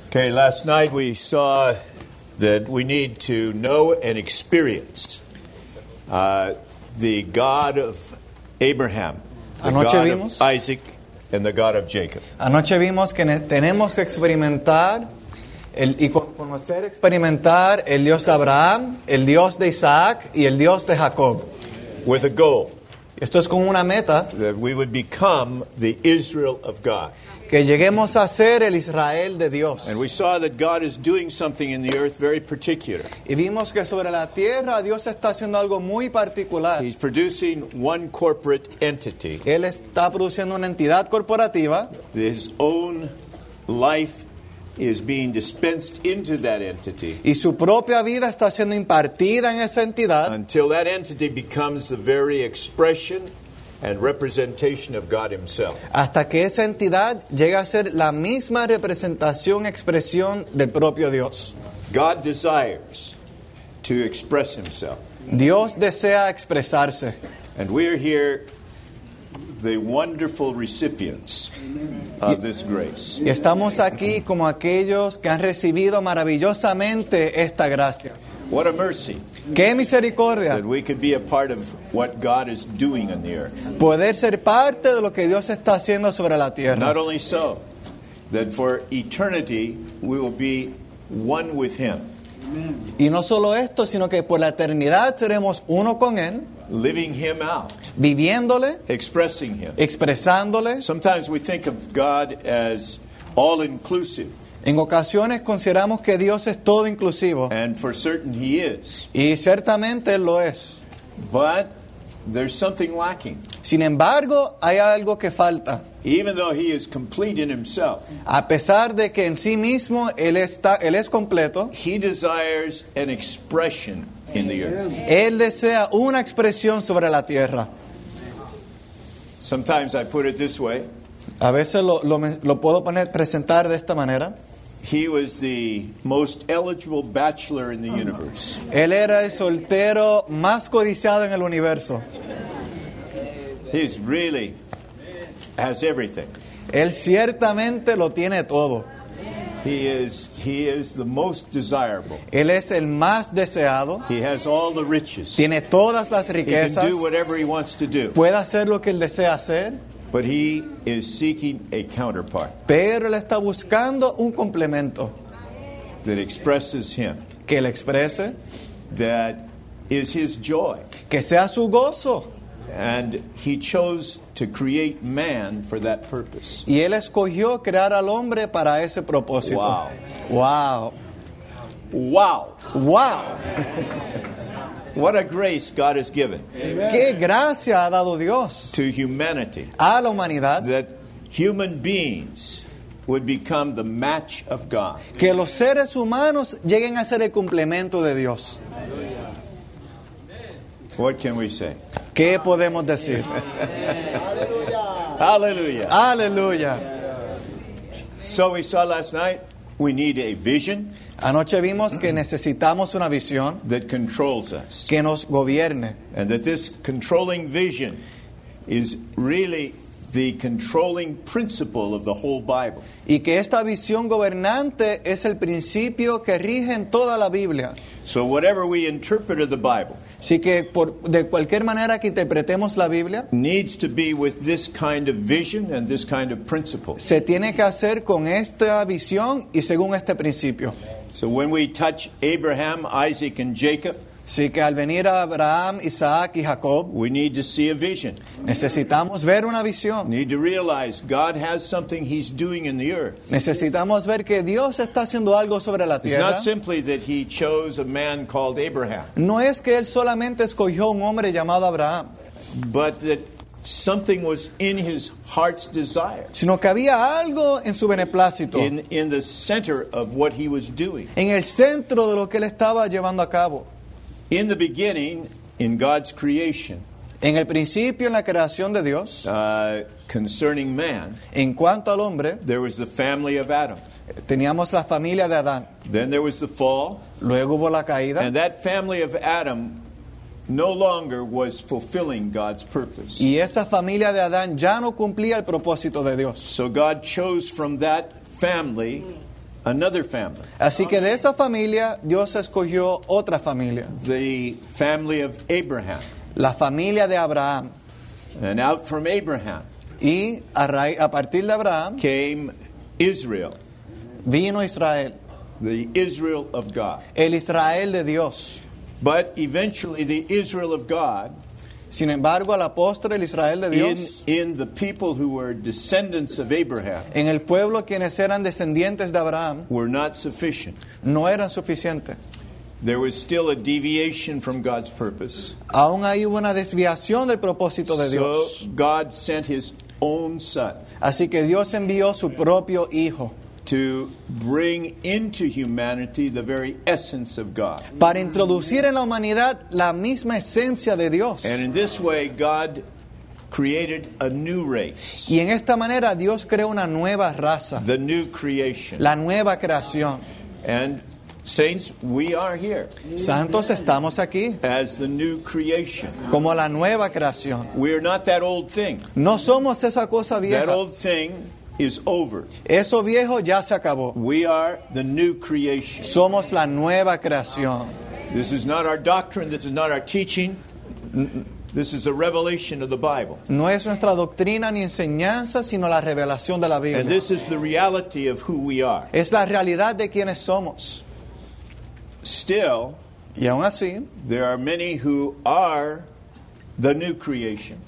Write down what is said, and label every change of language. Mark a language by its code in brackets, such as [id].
[en] Okay, last night we saw that we need to know and experience the God of Abraham, [es] anoche [en] the God [es] vimos, [en] of Isaac, and the God of Jacob. [es] Anoche vimos que tenemos que experimentar y conocer, experimentar el Dios de Abraham, el Dios de Isaac, y el Dios de Jacob. [en] With a goal. [es] Esto es como una meta. [en] That we would become the Israel of God. [es] Que lleguemos a ser el Israel de Dios. [en] And we saw that God is doing something in the earth very particular. [es] Y vimos que sobre la tierra Dios está haciendo algo muy particular. [en] He's producing one corporate entity. [es] Él está produciendo una entidad corporativa. [en] His own life is being dispensed into that entity. [es] Y su propia vida está siendo impartida en esa entidad. [en] Until that entity becomes the very expression and representation of God himself. [es] Hasta que esa entidad llega a ser la misma representación, expresión del propio Dios. [en] God desires to express himself. [es] Dios desea expresarse. [en] And we are here the wonderful recipients of this grace. [es] Y estamos aquí como aquellos que han recibido maravillosamente esta gracia. [en] What a mercy. [es] Qué misericordia. [en] That we could be a part of what God is doing in the earth. [es] Poder ser parte de lo que Dios está haciendo sobre la tierra. [en] Not only so, that for eternity we will be one with him. [es] Y no solo esto, sino que por la eternidad seremos uno con él. [en] Living him out. [es] Viviéndole. [en] Expressing him. [es] Expresándole. [en] Sometimes we think of God as all inclusive. [es] En ocasiones consideramos que Dios es todo inclusivo. [en] And for certain he is. [es] Y ciertamente él lo es. [en] But there's something lacking. [es] Sin embargo, hay algo que falta. [en] Even though he is complete in himself. [es] A pesar de que en sí mismo él es completo. [en] He desires an expression in the earth. [es] Él desea una expresión sobre la tierra. [en] Sometimes I put it this way. [es] A veces lo puedo presentar de esta manera. [en] He was the most eligible bachelor in the universe. [es] Él era el soltero más codiciado en el universo. [en] He really has everything. [es] Él ciertamente lo tiene todo. [en] He is the most desirable. [es] Él es el más deseado. [en] He has all the riches. [es] Tiene todas las riquezas. [en] He can do whatever he wants to do. [es] Puede hacer lo que él desea hacer. [en] But he is seeking a counterpart. [es] Pero él está buscando un complemento. [en] That expresses him. [es] Que le exprese. [en] That is his joy. [es] Que sea su gozo. [en] And he chose to create man for that purpose. [es] Y él escogió crear al hombre para ese propósito. Wow. Wow. Wow. Wow. [en] What a grace God has given. [es] Amen. Qué gracia ha dado Dios. [en] To humanity. [es] A la humanidad. [en] That human beings would become the match of God. [es] Que los seres humanos lleguen a ser el complemento de Dios. [en] What can we say? [es] ¿Qué podemos decir? Hallelujah. Hallelujah. [en] So we saw last night, we need a vision. [es] Anoche vimos que necesitamos una visión [en] that controls us. [es] Que nos gobierne. [en] And that this controlling vision is really the controlling principle of the whole Bible. [es] Y que esta visión gobernante es el principio que rige en toda la Biblia. [en] So whatever we interpret of the Bible. [es] Así que de cualquier manera que interpretemos la Biblia. [en] Needs to be with this kind of vision and this kind of principle. [es] Se tiene que hacer con esta visión y según este principio. [en] So when we touch Abraham, Isaac, and Jacob. [es] Así que al venir a Abraham, Isaac y Jacob, [en] we need to see a vision. [es] Necesitamos ver una visión. [en] Need to realize God has something he's doing in the earth. [es] Necesitamos ver que Dios está haciendo algo sobre la tierra. [en] It's not simply that he chose a man called Abraham. [es] No es que él solamente escogió un hombre llamado Abraham. [en] But that something was in his heart's desire. [es] Sino que había algo en su beneplácito. [en] In the center of what he was doing. [es] En el centro de lo que él estaba llevando a cabo. [en] In the beginning, in God's creation, [es] en el principio, en la creación de Dios, [en] concerning man, [es] en cuanto al hombre, [en] there was the family of Adam. [es] Teníamos la familia de Adán. [en] Then there was the fall. [es] Luego hubo la caída. [en] And that family of Adam no longer was fulfilling God's purpose. [es] Y esa familia de Adán ya no cumplía el propósito de Dios. [en] So God chose from that family another family. [es] Así que de esa familia, Dios escogió otra familia. [en] The family of Abraham. [es] La familia de Abraham. [en] And out from Abraham. [es] Y a partir de Abraham. [en] Came Israel. [es] Vino Israel. [en] The Israel of God. [es] El Israel de Dios. [en] But eventually the Israel of God. [es] Sin embargo, a la postre, el Israel de Dios. [en] In the people who were descendants of Abraham. [es] En el pueblo quienes eran descendientes de Abraham. [en] Were not sufficient. [es] No eran suficientes. [en] There was still a deviation from God's purpose. [es] Aún hay una desviación del propósito de Dios. [en] So God sent his own son. [es] Así que Dios envió su propio hijo. [en] To bring into humanity the very essence of God. [es] Para introducir en la humanidad la misma esencia de Dios. [en] And in this way God created a new race. [es] Y en esta manera Dios creó una nueva raza. [en] The new creation. [es] La nueva creación. [en] And saints, we are here. [es] Santos, estamos aquí. [en] As the new creation. [es] Como la nueva creación. [en] We are not that old thing. [es] No somos esa cosa vieja. [en] That old thing is over. [es] Eso viejo ya se acabó. [en] We are the new creation. [es] Somos la nueva creación. [en] This is not our doctrine. This is not our teaching. This is a revelation of the Bible. [es] No es nuestra doctrina ni enseñanza, sino la revelación de la Biblia. [en] And this is the reality of who we are. [es] Es la realidad de quienes somos. [en] Still, [es] y aún así, [en] there are many who are the new creation.